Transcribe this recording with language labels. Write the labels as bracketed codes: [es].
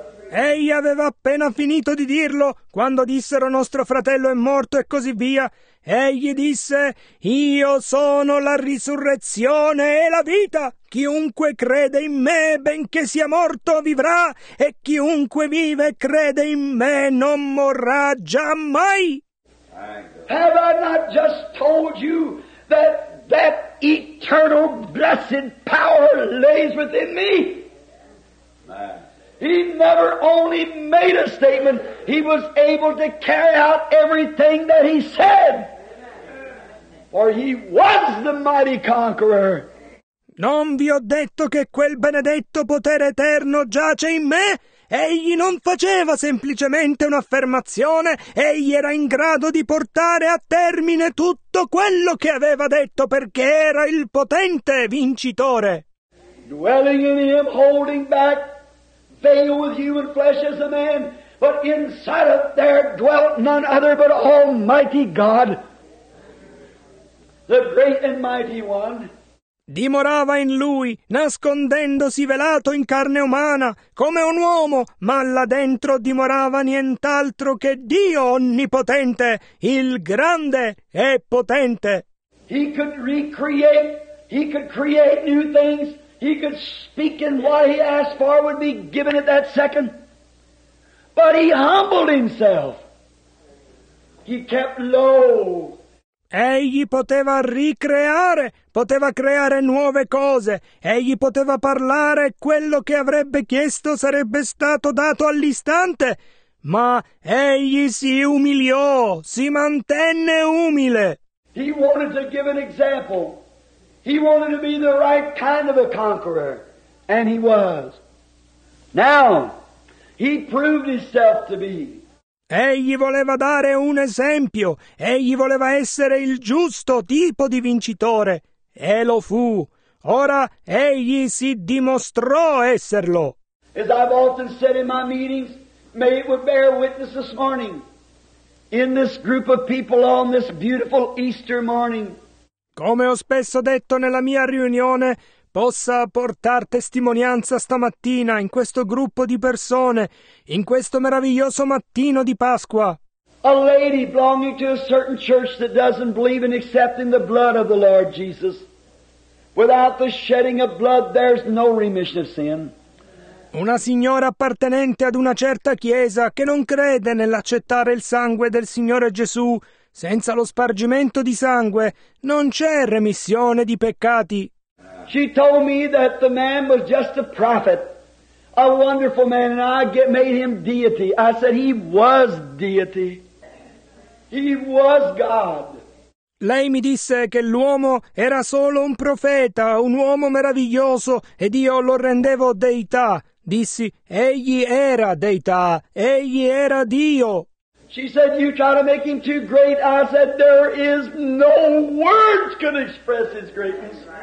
[it] Egli aveva appena finito di dirlo, quando dissero nostro fratello è morto e così via. Egli disse, io sono la risurrezione e la vita. Chiunque crede in me, benché sia morto, vivrà, e chiunque vive e crede in me non morrà giammai. [en] Have I not just told you that that eternal blessed power lays within me? He never only made a statement, he was able to carry out everything that he said. For he was the mighty conqueror. [it] Non vi ho detto che quel benedetto potere eterno giace in me? Egli non faceva semplicemente un'affermazione, egli era in grado di portare a termine tutto quello che aveva detto, perché era il potente vincitore. [en] Dwelling in him, holding back, veiled with human flesh as a man, but inside of there dwelt none other but Almighty God, the great and mighty one. [it] Dimorava in lui, nascondendosi velato in carne umana, come un uomo, ma là dentro dimorava nient'altro che Dio onnipotente, il grande e potente. [en] He could recreate, he could create new things, he could speak, and what he asked for would be given at that second. But he humbled himself. He kept low. [it] Egli poteva ricreare, poteva creare nuove cose, egli poteva parlare, quello che avrebbe chiesto sarebbe stato dato all'istante, ma egli si umiliò, si mantenne umile. [en] He wanted to give an example. He wanted to be the right kind of a conqueror, and he was. Now, he proved himself to be. [it] Egli voleva dare un esempio, egli voleva essere il giusto tipo di vincitore, e lo fu. Ora egli si dimostrò esserlo. [en] As I've often said in my meetings, may it would bear witness this morning, in this group of people on this beautiful Easter morning. [it] Come ho spesso detto nella mia riunione, possa portar testimonianza stamattina in questo gruppo di persone, in questo meraviglioso mattino di Pasqua. [en] A lady belonging to a certain church that doesn't believe in accepting the blood of the Lord Jesus. Without the shedding of blood, there's no remission of sin. [it] Una signora appartenente ad una certa chiesa che non crede nell'accettare il sangue del Signore Gesù. Senza lo spargimento di sangue non c'è remissione di peccati. [en] She told me that the man was just a prophet, a wonderful man, and I made him deity. I said he was deity. He was God. [it] Lei mi disse che l'uomo era solo un profeta, un uomo meraviglioso, ed io lo rendevo deità. Dissi, egli era deità, egli era Dio. [en] She said, you try to make him too great. I said, there is no words can express his greatness.